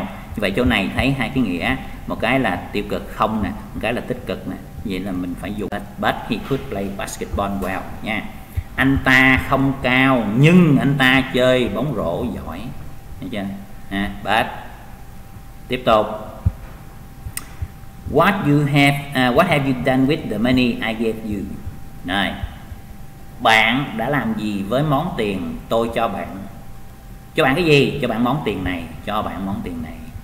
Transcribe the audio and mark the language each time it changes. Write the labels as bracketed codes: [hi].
[vi] Như vậy chỗ này thấy hai cái nghĩa, một cái là tiêu cực không nè, một cái là tích cực nè. Vậy là mình phải dùng [en] but he could play basketball well [vi] nha. Anh ta không cao nhưng anh ta chơi bóng rổ giỏi. Được chưa? But. Tiếp tục. [en] What you have, what have you done with the money I gave you? [vi] Này, bạn đã làm gì với món tiền tôi cho bạn? Cho bạn cái gì? Cho bạn món tiền này. Cho bạn món tiền này.